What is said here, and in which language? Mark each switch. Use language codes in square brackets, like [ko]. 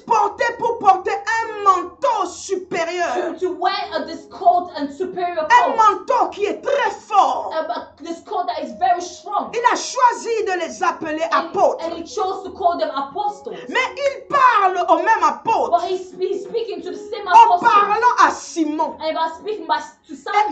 [fr] Portés pour porter un manteau supérieur. [en] To wear this coat and superior coat. [fr] Un manteau qui est très fort. [en] This coat that is very strong. [fr] Il a choisi de les appeler apôtres. [en] And he chose to call them apostles. [fr] Mais il parle au même apôtre. [en] But he's speaking to the same apostle. [fr] En parlant à Simon. [en] And he's speaking to Simon.